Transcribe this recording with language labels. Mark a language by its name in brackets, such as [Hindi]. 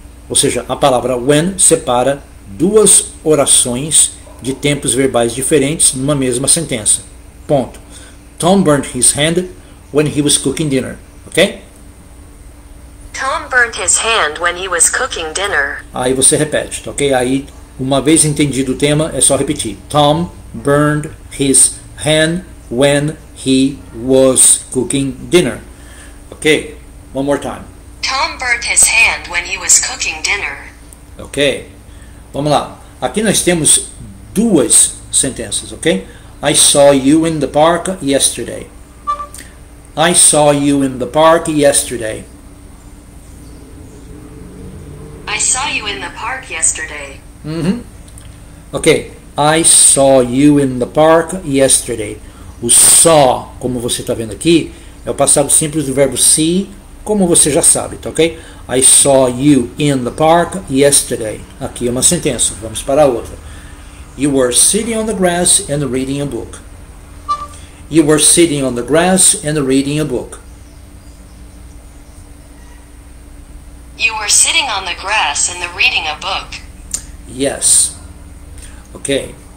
[Portuguese] Ou seja, a palavra when separa duas orações de tempos verbais diferentes numa mesma sentença. Ponto. [English] Tom burned his hand when he was cooking dinner. Ok? Tom burned his hand when he was cooking dinner. [Portuguese] Aí você repete, ok? Aí... uma vez entendido o tema, é só repetir. [English] Tom burned his hand when he was cooking dinner. Ok? One more time. Tom burned his hand when he was cooking dinner. [Portuguese] Ok? Vamos lá. Aqui nós temos duas sentenças, ok? [English] I saw you in the park yesterday. I saw you in the park yesterday. I saw you in the park yesterday. Uhum. Ok, I saw you in the park yesterday. [Portuguese] O saw, como você está vendo aqui, é o passado simples do verbo see, como você já sabe, tá ok? [English] I saw you in the park yesterday. [Portuguese] Aqui é uma sentença, vamos para a outra. [English] You were sitting on the grass and reading a book. You were sitting on the grass and reading a book. You were were sitting on the grass and they're reading a book. Yes. Okay.